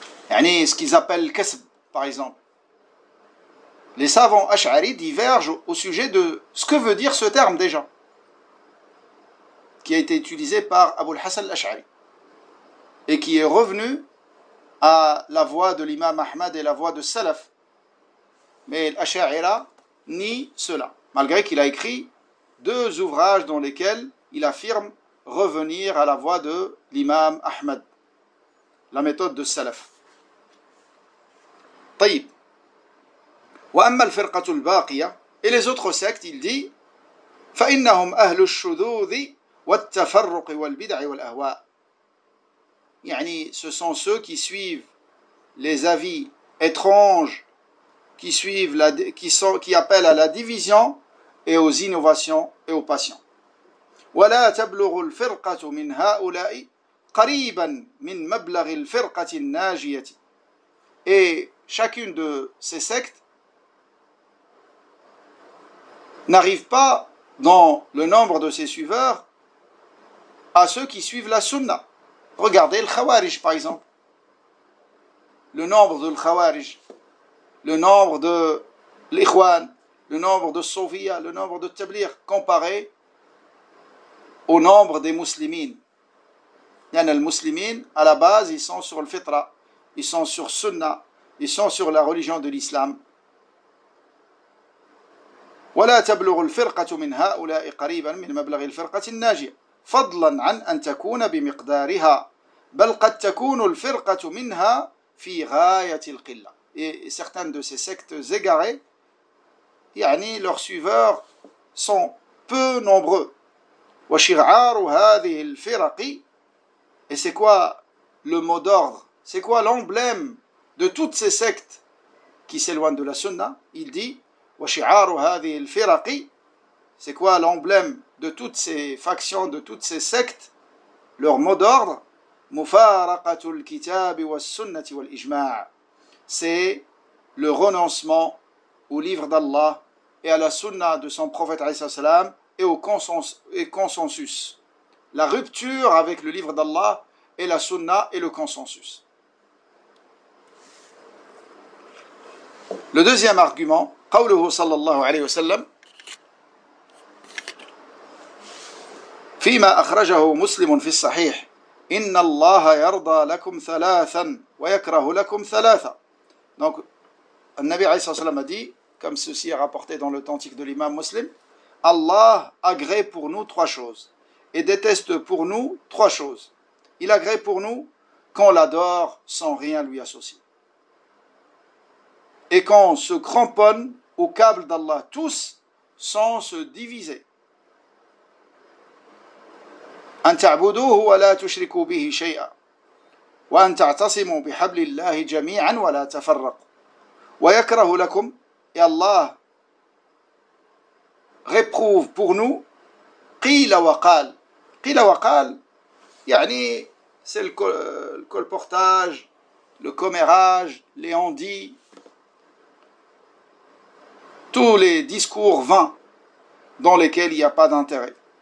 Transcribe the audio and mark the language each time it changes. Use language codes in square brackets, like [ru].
[fr] Yani, ce qu'ils appellent kasb, par exemple. Les savants Ash'ari divergent au sujet de ce que veut dire ce terme déjà, qui a été utilisé par Abu al-Hassan al-Ash'ari, et qui est revenu à la voix de l'imam Ahmad et la voix de Salaf. Mais l'Ash'ari nie cela, malgré qu'il a écrit deux ouvrages dans lesquels il affirme revenir à la voix de l'imam Ahmad, la méthode de Salaf. [ar] طيب. وأما الفرقة الباقية إلى زوتخو سكت يلدي فإنهم أهل الشذوذ والتفرق والبدع والأهواء. [fr] يعني ce sont ceux qui suivent les avis étranges, qui suivent la, qui sont, qui appellent à la division et aux innovations et aux passions. [ar] ولا تبلغ الفرقة من هؤلاء قريبا من مبلغ الفرقة الناجية. [fr] Et chacune de ces sectes n'arrive pas dans le nombre de ses suiveurs à ceux qui suivent la sunna. Regardez le khawarij par exemple. Le nombre de l'khawarij, le nombre de l'ikhwan, le nombre de sofia, le nombre de tablir comparé au nombre des muslimines. Yann al-muslimin, à la base, ils sont sur le fitra, ils sont sur sunna, ils sont sur la religion de l'islam. [ar] ولا تبلغ الفرقة من هؤلاء قريبا من مبلغ الفرقة الناجية فضلا عن أن تكون بمقدارها بل قد تكون الفرقة منها في غاية القلة. [fr] Et certaines de ces sectes égarées, يعني leurs suiveurs sont peu nombreux. [ar] وشعار هذه الفرق, [fr] et c'est quoi le mot d'ordre, c'est quoi l'emblème de toutes ces sectes qui s'éloignent de la sunna, il dit وشعار هذه الفرق, c'est quoi l'emblème de toutes ces factions, de toutes ces sectes, leur mot d'ordre, [ar] مفارقة الكتاب والسنة والإجماع, [fr] c'est le renoncement au livre d'Allah et à la sunna de son prophète [ar] عليه الصلاة والسلام [fr] et au consensus, la rupture avec le livre d'Allah et la sunna et le consensus. Le deuxième argument, [ar] قوله صلى الله عليه وسلم فيما أخرجه مسلم في الصحيح إن الله يرضى لكم ثلاثا ويكره لكم ثلاثة. [fr] Donc [ar] النبي عليه الصلاة والسلام [fr] a dit, comme ceci est rapporté dans l'authentique de l'imam muslim, Allah agrée pour nous trois choses et déteste pour nous trois choses. Il agrée pour nous qu'on l'adore sans rien lui associer, et qu'on se cramponne au câble d'Allah tous sans se diviser. [ar] أن تعبدوه ولا تشركوا به شيئا وأن تعتصموا بحبل الله جميعا ولا تفرقوا ويكره لكم. [fr] Et Allah réprouve pour nous [ar] قِيلَ وَقَال. قِيلَ وَقَال, [fr] يعني c'est le colportage, le commérage, les on-dit, tous les discours vains dans lesquels il n'y a pas d'intérêt.